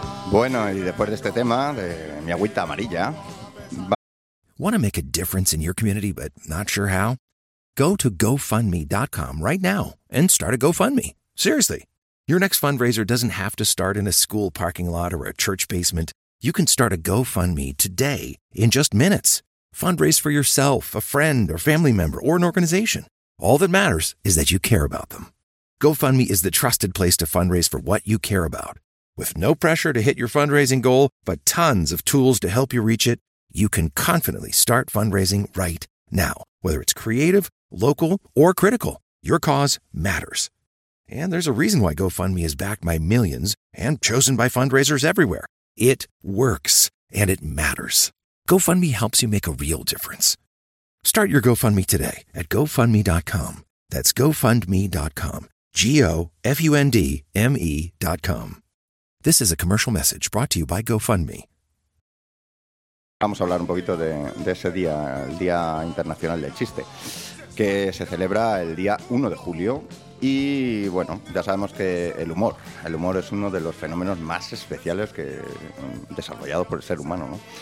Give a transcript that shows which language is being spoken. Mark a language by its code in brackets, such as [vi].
[es] Bueno, y después de este tema, de mi agüita amarilla. [en] Want to make a difference in your community but not sure how? Go to GoFundMe.com right now and start a GoFundMe. Seriously. Your next fundraiser doesn't have to start in a school parking lot or a church basement. You can start a GoFundMe today in just minutes. Fundraise for yourself, a friend, or family member, or an organization. All that matters is that you care about them. GoFundMe is the trusted place to fundraise for what you care about. With no pressure to hit your fundraising goal, but tons of tools to help you reach it, you can confidently start fundraising right now. Whether it's creative, local, or critical, your cause matters. And there's a reason why GoFundMe is backed by millions and chosen by fundraisers everywhere. It works, and it matters. GoFundMe helps you make a real difference. Start your GoFundMe today at GoFundMe.com. That's GoFundMe.com. GoFundMe.com. This is a commercial message brought to you by GoFundMe. [es] Vamos a hablar un poquito de ese día, el Día Internacional del Chiste, que se celebra el día 1 de julio. Y bueno, ya sabemos que el humor es uno de los fenómenos más especiales que desarrollados por el ser humano, ¿no?